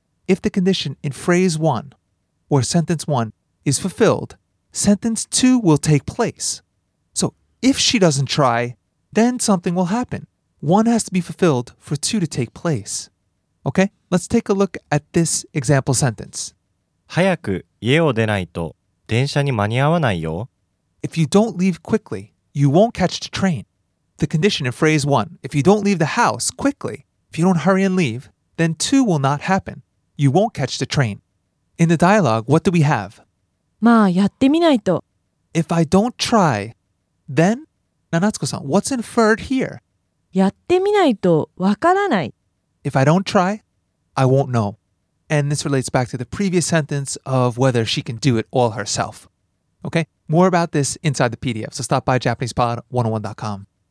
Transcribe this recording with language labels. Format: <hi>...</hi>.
<en>If the condition in phrase one or sentence one is fulfilled, sentence two will take place. So if she doesn't try, then something will happen. One has to be fulfilled for two to take place. Okay? Let's take a look at this example sentence.</en> <ja>早く家を出ないと電車に間に合わないよ。</ja> <en>If you don't leave quickly, you won't catch the train. The condition in phrase 1, if you don't leave the house quickly, if you don't hurry and leave, then 2 will not happen. You won't catch the train. In the dialogue, what do we have?</en> <ja>まあ、やってみないと。</ja> <en>If I don't try, then? Now, Natsuko-san, what's inferred here?</en> <ja>やってみないとわからない。</ja> <en>If I don't try, I won't know. And this relates back to the previous sentence of whether she can do it all herself. Okay? More about this inside the PDF, so stop by JapanesePod101.com.</en>